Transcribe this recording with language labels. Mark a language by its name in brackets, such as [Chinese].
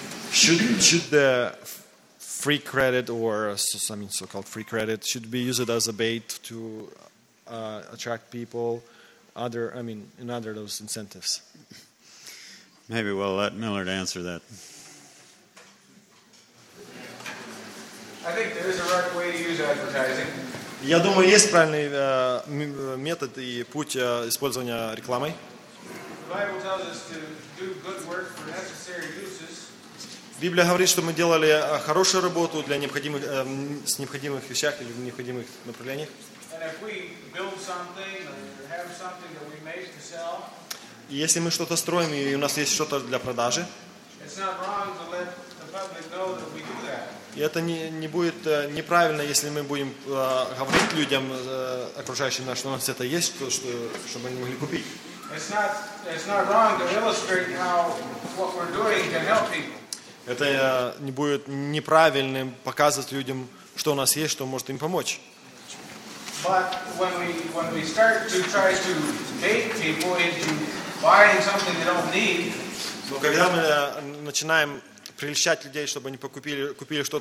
[English] Should the free credit or something so-called free credit, should we use it as a bait to attract people? In other those incentives. Maybe we'll let Millard answer that. I think there is a right way to use advertising. [Russian] Я думаю, есть правильный метод и путь использования рекламой. [English] The Bible tells us to do good work for necessary uses. [Russian] Библия говорит, что мы делали хорошую работу для необходимых с необходимых вещах или в необходимых направлениях. [English] And if we build something have something that we make to sell. [Russian] Если мы что-то строим и у нас есть что-то для продажи. [English] It's not wrong to let the public know that we do that. [Russian] И это не будет неправильно, если мы будем говорить людям окружающим нас, что у нас это есть, чтобы они могли купить. [English] It's not wrong to illustrate how what we're doing can help people. [Russian] Это не будет неправильным показывать людям, что у нас есть, что может им помочь. [English] But when we start to try to bait people into buying something they don't need, [Russian] когда мы начинаем прельщать людей, чтобы они купили что-то.